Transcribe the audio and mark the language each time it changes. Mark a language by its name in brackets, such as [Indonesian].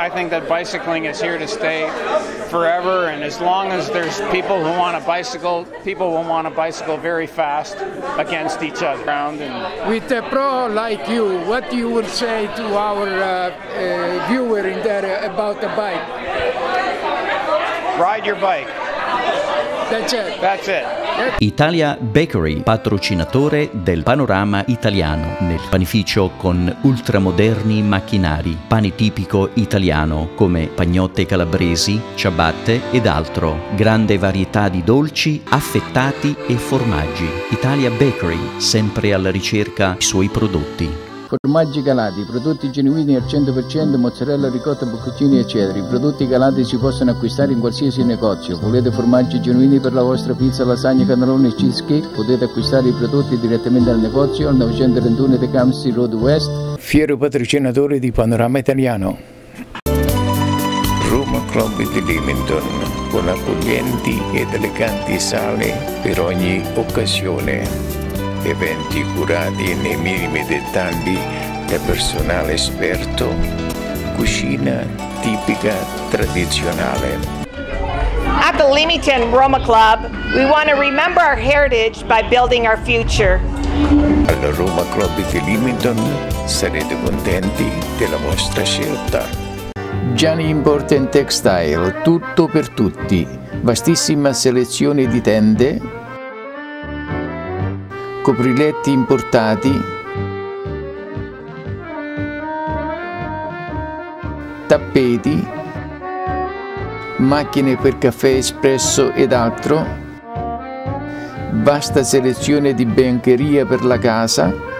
[English] I think that bicycling is here to stay forever, and as long as there's people who want a bicycle, people will want a bicycle very fast against each other. With a pro like you, what you would say to our viewer in there about the bike? Ride your bike. That's it. [Italian] Italia Bakery, patrocinatore del panorama italiano nel panificio con ultramoderni macchinari, pane tipico italiano come pagnotte calabresi, ciabatte ed altro, grande varietà di dolci, affettati e formaggi. Italia Bakery, sempre alla ricerca dei suoi prodotti. Formaggi Galati, prodotti genuini al 100%, mozzarella, ricotta, bocconcini, eccetera. I prodotti Galati si possono acquistare in qualsiasi negozio. Volete formaggi genuini per la vostra pizza, lasagna, cannelloni e cheesecake? Potete acquistare i prodotti direttamente al negozio al 931 The Camsi Road West. Fiero patrocinatore di Panorama Italiano. Roma Club di Leamington, con accoglienti ed eleganti sale per ogni occasione. Eventi curati nei minimi dettagli da personale esperto, cucina tipica tradizionale. [English] At the Leamington Roma Club, we want to remember our heritage by building our future. [Italian] Al Roma Club di Leamington sarete contenti della vostra scelta. Gianni Import & Textile, tutto per tutti, vastissima selezione di tende, copriletti importati, tappeti, macchine per caffè espresso ed altro, vasta selezione di biancheria per la casa.